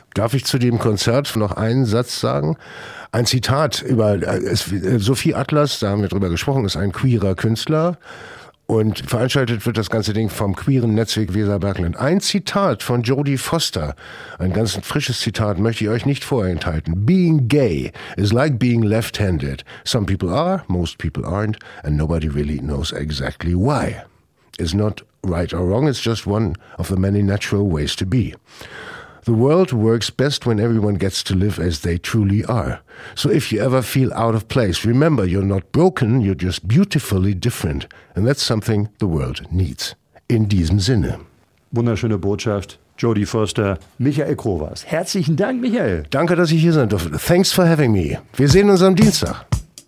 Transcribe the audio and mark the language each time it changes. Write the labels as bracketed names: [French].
[German] Darf ich zu dem Konzert noch einen Satz sagen? Ein Zitat über Sophie Atlas, da haben wir drüber gesprochen, ist ein queerer Künstler und veranstaltet wird das ganze Ding vom queeren Netzwerk Weserbergland. Ein Zitat von Jodie Foster, ein ganz frisches Zitat, möchte ich euch nicht vorenthalten. [English] Being gay is like being left-handed. Some people are, most people aren't, and nobody really knows exactly why. It's not right or wrong, it's just one of the many natural ways to be. The world works best when everyone gets to live as they truly are. So if you ever feel out of place, remember you're not broken, you're just beautifully different. And that's something the world needs. [German] In diesem Sinne. Wunderschöne Botschaft. Jodie Foster, Michael Krowas. Herzlichen Dank, Michael. Danke, dass ich hier sein durfte. [English] Thanks for having me. [German] Wir sehen uns am Dienstag.